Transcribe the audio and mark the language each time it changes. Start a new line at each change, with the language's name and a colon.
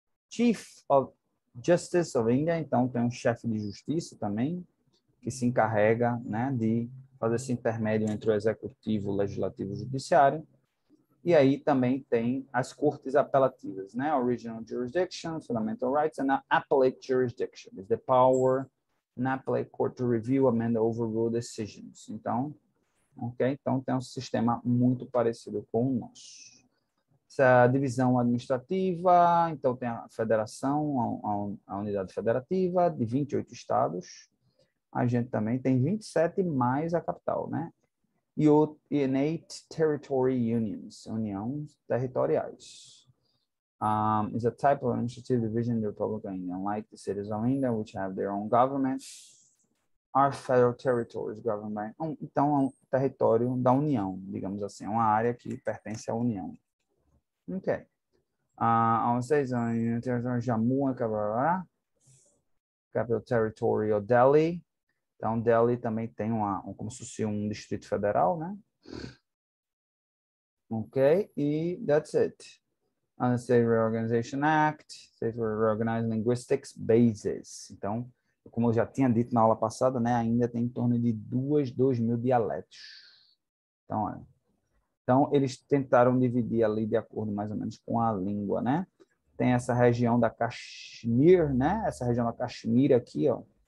Portuguese: Chief of Justice of India, então tem um chefe de justiça também, que se encarrega, né, de fazer esse intermédio entre o executivo, o legislativo e o judiciário. E aí também tem as cortes apelativas, né?
English: Original Jurisdiction, Fundamental Rights, and Appellate Jurisdiction. It's the power an appellate court to review, amend, overrule decisions.
Portuguese: Então, ok? Então, tem um sistema muito parecido com o nosso. Essa divisão administrativa, então tem a federação, a unidade federativa de 28 estados. A gente também tem 27 mais a capital, né? E o Innate Territory Unions, uniões territoriais.
English: Is a type of administrative division of the Republic of India, like the cities of India, which have their own governments, are federal territories governed by...
Portuguese: Então, é um território da União, digamos assim, uma área que pertence à União. Ok. Vocês, Jammu, capital territory of Delhi. Então, Delhi também tem como se fosse um distrito federal, né?
English: Ok, e that's it. And the State Reorganization Act, State Reorganized Linguistics Bases.
Portuguese: Então, como eu já tinha dito na aula passada, né, ainda tem em torno de 2 mil dialetos. Então, olha. Então, eles tentaram dividir ali de acordo mais ou menos com a língua, né? Tem essa região da Kashmir, né? Essa região da Kashmir aqui, ó.